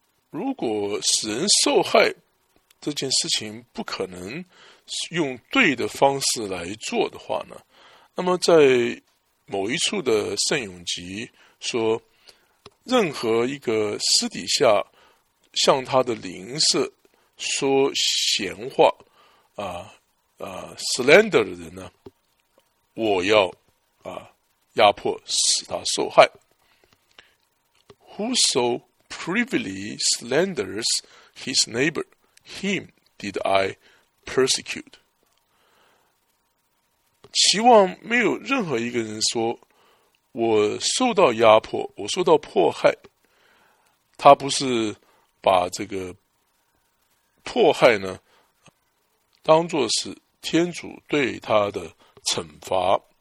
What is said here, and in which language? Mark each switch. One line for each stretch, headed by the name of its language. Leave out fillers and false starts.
Chinese: 如果使人受害这件事情不可能用对的方式来做的话呢，那么在某一处的圣咏集说，任何一个私底下向他的邻舍说闲话slander 的人呢，我要压迫使他受害。
English: Whoso privily slanders his neighbor, him did I persecute.
Chinese: 希望没有任何一个人说我受到压迫，我受到迫害，他不是把这个迫害呢当作是天主对他的惩罚，